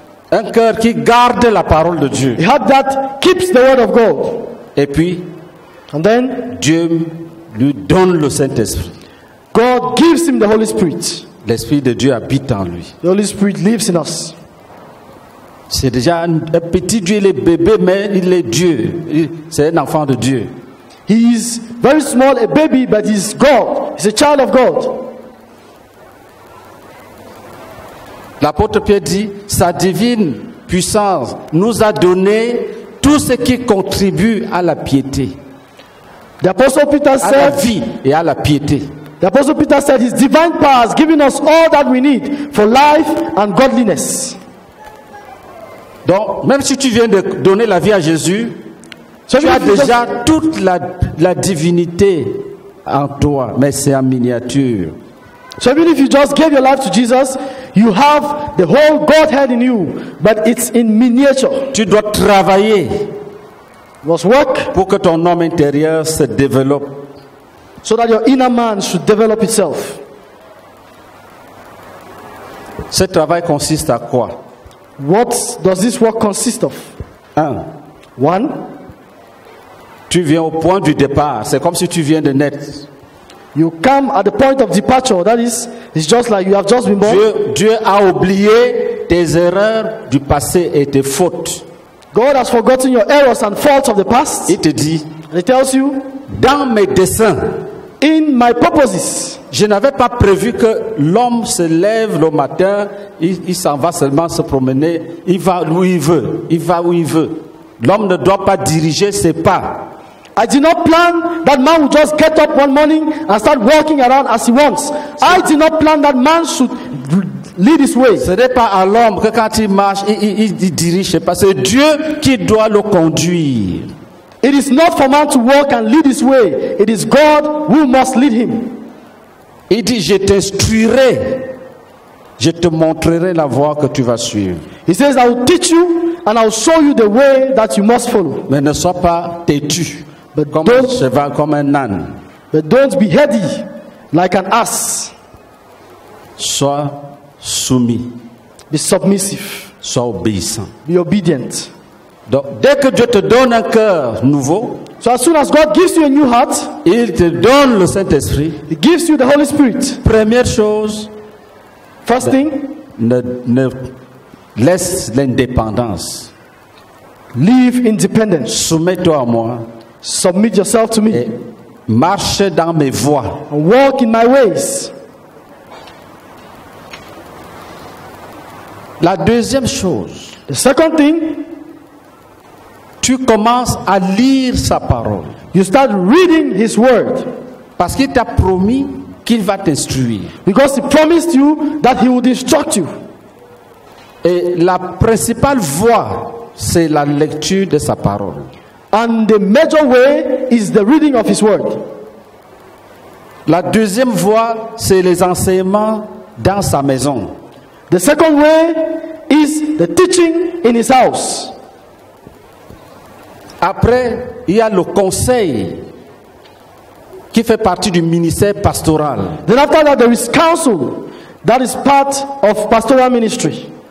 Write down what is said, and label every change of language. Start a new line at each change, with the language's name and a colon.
French: Un cœur qui garde la parole de Dieu.
English: A heart that keeps the word of God.
French: Et puis,
English: and then,
French: Dieu lui donne le Saint-Esprit.
English: God gives him the Holy Spirit.
French: L'Esprit de Dieu habite en lui.
English: The Holy Spirit lives in us.
French: C'est déjà un petit Dieu, il est bébé, mais il est Dieu. C'est un enfant de Dieu.
English: He is very small, a baby, but he's God. He's a child of God.
French: L'apôtre Pierre dit, sa divine puissance nous a donné tout ce qui contribue à la piété.
English: The apostle Peter said,
French: à la vie et à la piété.
English: The apostle Peter said, his divine power has given us all that we need for life and godliness.
French: Donc, même si tu viens de donner la vie à Jésus, so tu as déjà toute la divinité en toi, mais c'est en miniature.
English: So even if you just gave your life to Jesus, you have the whole Godhead in you, but it's in miniature.
French: Tu dois travailler.
English: You must work.
French: Pour que ton homme intérieur se développe.
English: So that your inner man should develop itself.
French: Ce travail consiste à quoi?
English: What does this work consist of? One.
French: Tu viens au point du départ. C'est comme si tu viens de naître.
English: You come at the point of departure. That is, it's just like you have just been born.
French: Dieu a oublié tes erreurs du passé et tes fautes.
English: God has forgotten your errors and faults of the past.
French: Il te dit.
English: And he tells you.
French: Dans mes desseins.
English: In my purposes.
French: Je n'avais pas prévu que l'homme se lève le matin, il s'en va seulement se promener, il va où il veut, il va où il veut. L'homme ne doit pas diriger ses pas.
English: I did not plan that man would just get up one morning and start walking around as he wants. I did not plan that man should lead his way.
French: Ce n'est pas à l'homme que quand il marche, il dirige. Parce que Dieu qui doit le conduire.
English: It is not for man to walk and lead his way. It is God who must lead him.
French: Il dit, je t'instruirai. Je te montrerai la voie que tu vas suivre.
English: He says, I will teach you and I will show you the way that you must follow.
French: Mais ne sois pas têtu.
English: But
French: comme un cheval, comme un âne.
English: But don't be heady like an ass.
French: Sois soumis.
English: Be submissive.
French: Sois obéissant.
English: Be obedient.
French: Donc, dès que Dieu te donne un cœur nouveau,
English: so as soon as God gives you a new heart,
French: il te donne le Saint-Esprit.
English: He gives you the Holy Spirit.
French: Première chose,
English: first thing,
French: ne laisse l'indépendance.
English: Leave independence.
French: Soumets-toi à moi.
English: Submit yourself to me.
French: Et marche dans mes voies.
English: And walk in my ways.
French: La deuxième chose,
English: the second thing,
French: tu commences à lire sa parole.
English: You start reading his word.
French: Parce qu'il t'a promis qu'il va t'instruire.
English: Because he promised you that he would instruct you.
French: Et la principale voie, c'est la lecture de sa parole.
English: And the major way is the reading of his word.
French: La deuxième voie, c'est les enseignements dans sa maison.
English: The second way is the teaching in his house.
French: Après, il y a le conseil qui fait partie du ministère pastoral.
English: Then after that, there is counsel that is part of pastoral ministry.